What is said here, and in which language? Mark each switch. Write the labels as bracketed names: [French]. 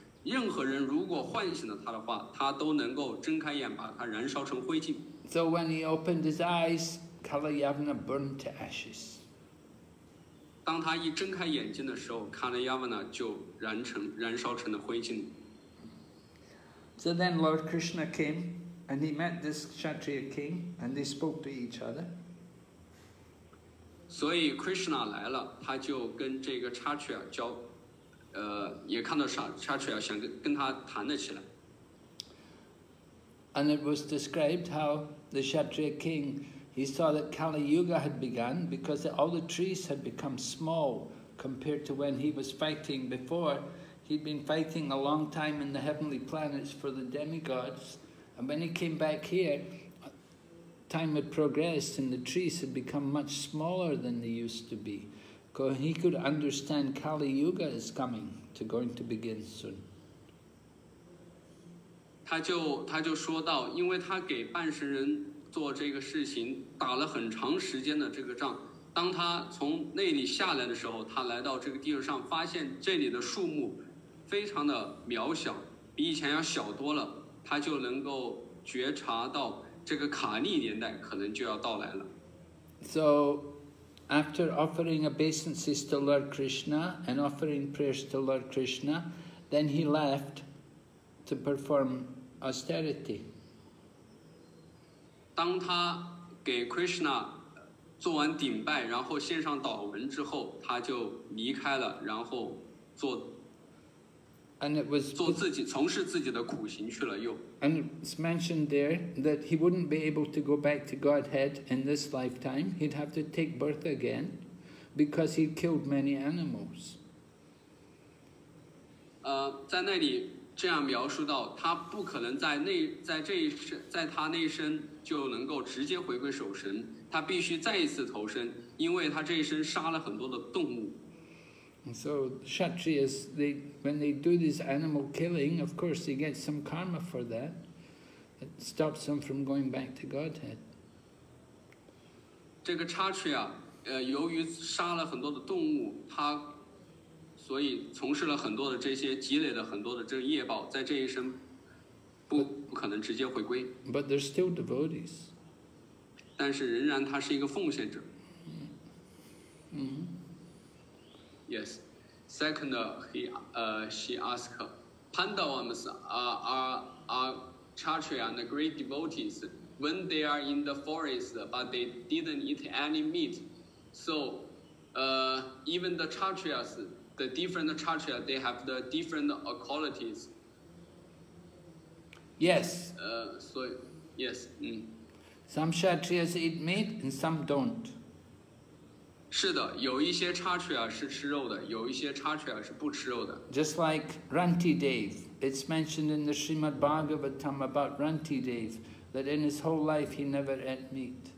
[Chinese] 任何人如果唤醒了他的话，他都能够睁开眼，把他燃烧成灰烬。 [English] So when he opened his eyes, Kalayavana burned to ashes. [Chinese] 当他一睁开眼睛的时候 ，Kalayavana 就燃烧成了灰烬。 [English] So then Lord Krishna came, and he met this Kshatriya king, and they spoke to each other. [Chinese] 所以 Krishna 来了，他就跟这个 Kshatriya 交，也看到 Kshatriya 想跟他谈了起来。 [English] And it was described how the Kshatriya king, he saw that Kali Yuga had begun because all the trees had become small compared to when he was fighting before. He'd been fighting a long time in the heavenly planets for the demigods. And when he came back here, time had progressed and the trees had become much smaller than they used to be. Because he could understand Kali Yuga is going to begin soon. [Chinese] 他就说到，因为他给半神人做这个事情打了很长时间的这个仗，当他从那里下来的时候，他来到这个地上，发现这里的树木非常的渺小，比以前要小多了，他就能够觉察到这个卡利年代可能就要到来了。 [English] So, after offering obeisances to Lord Krishna and offering prayers to Lord Krishna, then he left. To perform austerity. [Chinese] 当他给 Krishna 做完顶拜，然后献上祷文之后，他就离开了，然后做 [English] And it was [Chinese] 做自己从事自己的苦行去了又。 [English] And it's mentioned there that he wouldn't be able to go back to Godhead in this lifetime. He'd have to take birth again, because he killed many animals. [Chinese] 在那里这样描述到，他不可能在那在这一生在他那一生就能够直接回归守神，他必须再一次投生，因为他这一生杀了很多的动物。 [English] So Kshatriyas, they, when they do this animal killing, of course they get some karma for that. It stops them from going back to Godhead. [Chinese] 这个 Kshatriya, 由于杀了很多的动物，他所以从事了很多的这些积累了很多的这业报，在这一生 不可能直接回归。 [English] But they're still devotees. [Chinese] 但是仍然他是一个奉献者。 [English] Yes. Second, she asked, Pandavas are Kshatriya and the great devotees when they are in the forest, but they didn't eat any meat. So, even the Kshatriyas, the different Kshatriya, they have the different qualities. Yes. Yes. Some Kshatriyas eat meat and some don't. [Chinese] 是的，有一些叉翅啊是吃肉的，有一些叉翅啊是不吃肉的。 [English] Just like Ranti Dev, it's mentioned in the Srimad Bhagavatam about Ranti Dev that in his whole life he never ate meat.